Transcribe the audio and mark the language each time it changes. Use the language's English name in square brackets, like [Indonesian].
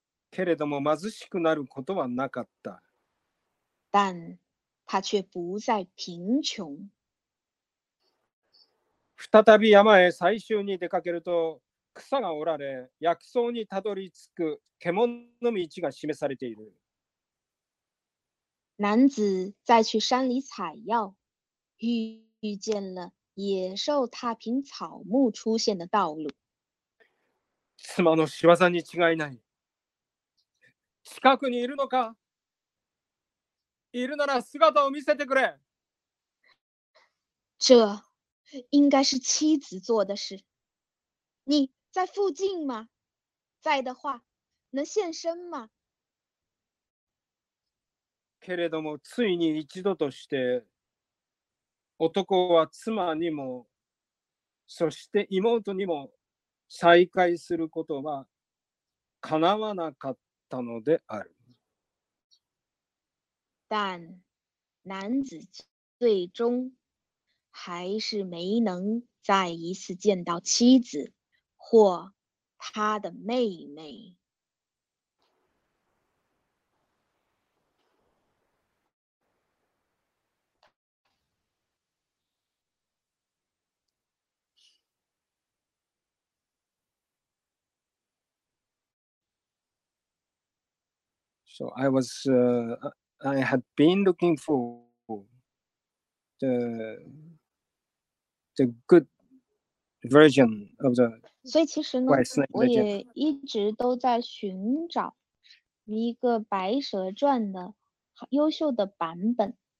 [Japanese] けれども貧しくなることはなかった。 [Chinese] 但他却不再贫穷。 [Japanese] 再び山へ採集に出かけると、草が折られ、薬草にたどり着く獣の道が示されている。 [Chinese] 男子再去山里采药，遇见了野兽踏平草木出现的道路。 [Japanese] 妻の仕業に違いない。近くにいるのか？いるなら姿を見せてくれ。 [Chinese] 这应该是妻子做的事。你在附近吗？在的话，能现身吗？ [Japanese] けれどもついに一度として、男は妻にも、そして妹にも再会することはかなわなかったのである。 [Chinese] 但男子最终还是没能再一次见到妻子或他的妹妹。 [English] So I was, I had been looking for the good version of the quest. [Chinese] 所以其实呢，我也一直都在寻找一个《白蛇传》的优秀的版本。